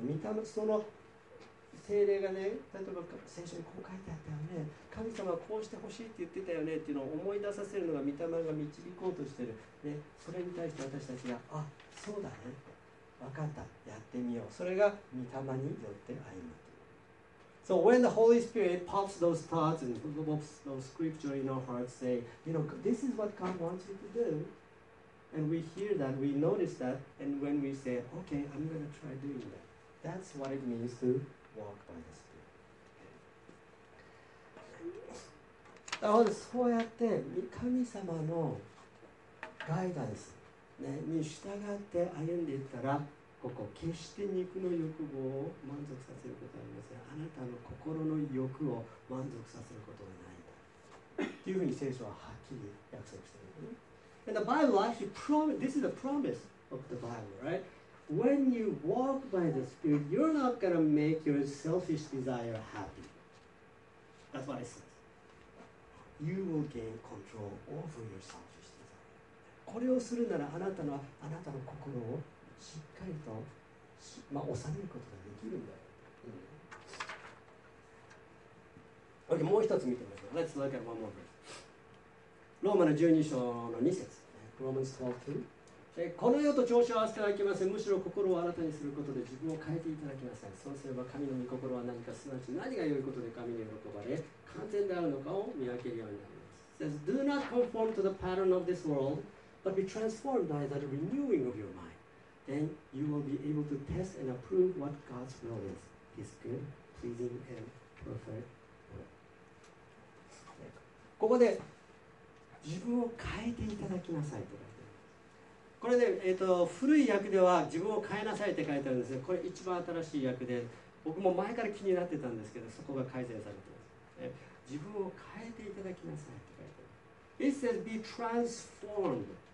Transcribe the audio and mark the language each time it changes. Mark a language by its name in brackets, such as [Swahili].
[Japanese] 見た目、その聖霊がね、例えば聖書にこう書いてあったよね。神様はこうしてほしいって言ってたよねっていうのを思い出させるのが御霊が導こうとしてる、ね、それに対して私たちが、あ、そうだね、分かった、やってみよう。それが御霊によって歩むと。 [English] So when the Holy Spirit pops those thoughts and pops those scripture in our hearts saying, you know, this is what God wants you to do, and we hear that, we notice that, and when we say, okay, I'm going to try doing that, that's what it means to walk by the Spirit. [Japanese] なのでそうやって神様のガイダンス、ね、に従って歩んでいったら、ここ決して肉の欲望を満足させることはありません。あなたの心の欲を満足させることはないんだというふうに聖書ははっきり約束しているんですね。 [English] And the Bible actually promise, this is the promise of the Bible, right? When you walk by the Spirit, you're not going to make your selfish desire happy. That's what it says. You will gain control over your selfish desire. [Japanese] これをするなら、あなたの心をしっかりと、まあ、収めることができるんだよ。 [English] Mm-hmm. Okay, [Japanese] もう一つ見てみましょう。 [English] Let's look at one more verse. [Japanese] ローマの12章の2節。Romans 12:2. この世と調子を合わせてはいけません。むしろ心を新たにすることで自分を変えていただきなさい。そうすれば神の御心は何か、すなわち何が良いことで神に喜ばれ、完全であるのかを見分けるようになります。 [English] It says, Do not conform to the pattern of this world, but be transformed by the renewing of your mind. Then you will be able to test and approve what God's will is, His good, pleasing, and perfect will. [Japanese] ここで自分を変えていただきなさいと書いてあります。これね、古い訳では自分を変えなさいって書いてあるんですが、これ一番新しい訳で、僕も前から気になってたんですけど、そこが改善されて。自分を変えていただきなさいって書いてある。 [English] It says be transformed.